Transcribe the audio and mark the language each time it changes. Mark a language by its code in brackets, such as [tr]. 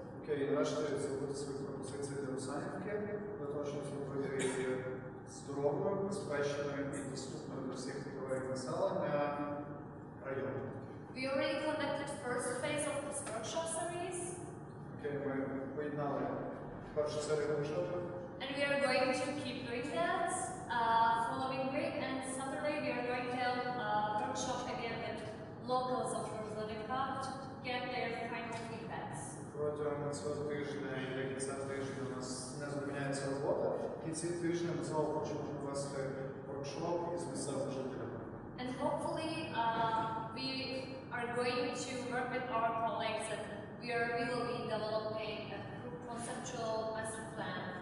[uk] Okay, і врешті зробити свої пропозиції для Ruzalinka, для того, щоб зробити здоровою, безпечною і доступною до всіх типових населення району. [en] We already conducted first phase of this workshop series. [uk] Okay, ми поєднали першу серію workshop. [en] And we are going to keep doing that following week, and Saturday we are going to have a workshop again with locals of Ruzalinka to get their final feedbacks. [uk] Протягом цього тижня і до кінця тижня у нас не зупиняється робота. Кінці тижня ми знову хочемо провести workshop із місцевими жителями. [en] And hopefully we are going to work with our colleagues and we will be developing a conceptual master plan.